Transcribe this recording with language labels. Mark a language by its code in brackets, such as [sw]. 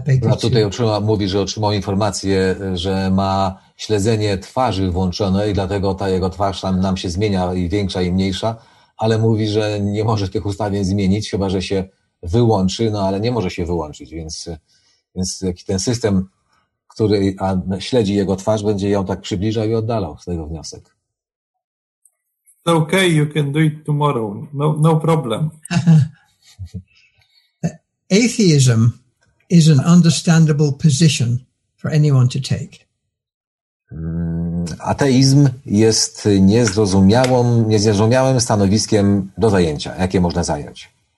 [pl] A tutaj mówi, że otrzymał informację, że ma śledzenie twarzy włączone i dlatego ta jego twarz tam nam się zmienia i większa i mniejsza, ale mówi, że nie może tych ustawień zmienić, chyba że się wyłączy, no ale nie może się wyłączyć, więc ten system, który śledzi jego twarz, będzie ją tak przybliżał i oddalał, z tego wniosek. [en] It's okay, you can do it tomorrow, no problem. Atheism is an understandable position for anyone to take. [pl] Ateizm jest niezrozumiałym stanowiskiem do zajęcia, jakie można zająć.